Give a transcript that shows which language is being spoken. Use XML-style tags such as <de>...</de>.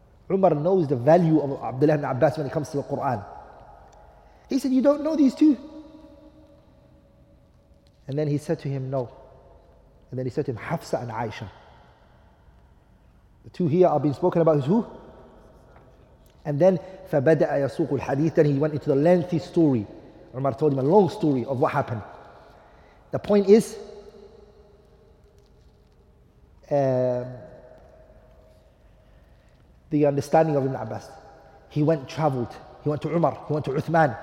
<en>Umar knows the value of Abdullah ibn Abbas when it comes to the Quran. He said, you don't know these two? And then he said to him, no. And then he said to him, Hafsa and Aisha. The two here are being spoken about, is who? And then,</en> <ar>فَبَدَأَ يَسُوقُ الْحَدِيثِ.</ar> <en>Then he went into the lengthy story. Umar told him a long story of what happened. The point is, the understanding of Ibn Abbas. He went, traveled. He went to Umar. He went to Uthman.</en>